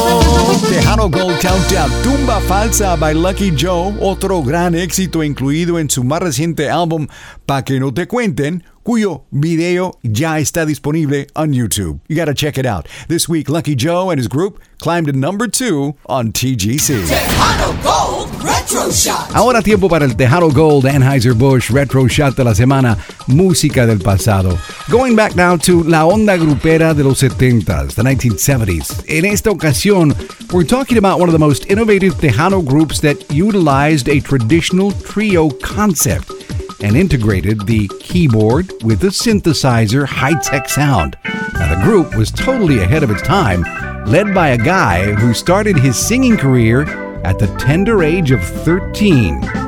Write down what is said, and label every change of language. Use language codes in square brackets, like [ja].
[es] Tejano Gold Countdown, Tumba Falsa by Lucky Joe, otro gran éxito incluido en su más reciente álbum Pa' Que No Te Cuenten, cuyo video ya está disponible on YouTube. [en] You gotta check it out. This week, Lucky Joe and his group climbed to number 2 on TGC. Tejano Gold Retro Shot. [es] Ahora tiempo para el Tejano Gold Anheuser-Busch Retro Shot de la semana, música del pasado. [en] Going back now to [es] la onda grupera de los 70s, [en] the 1970s. [es] En esta ocasión, [en] we're talking about one of the most innovative Tejano groups that utilized a traditional trio concept and integrated the keyboard with the synthesizer high-tech sound. Now, the group was totally ahead of its time, led by a guy who started his singing career at the tender age of 13.